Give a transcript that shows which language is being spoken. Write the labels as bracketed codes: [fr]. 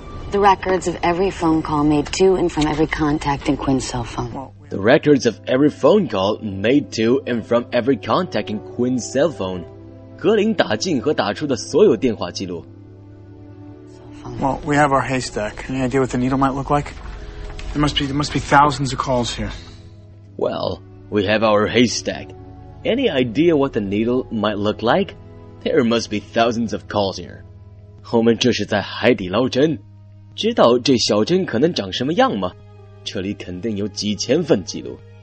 [en] The records of every phone call made to and from every contact in Quinn's cell phone. The records of every phone call made to and from every contact in Quinn's cell phone. [zh] 格林打进和打出的所有电话记录。 [en] Well, we have our haystack. Any idea what the needle might look like? There must be thousands of calls here. Well, we have our haystack. Any idea what the needle might look like? There must be thousands of calls here. [zh] 后面这是在海底捞针。知道这小针可能长什么样吗？这里肯定有几千份记录。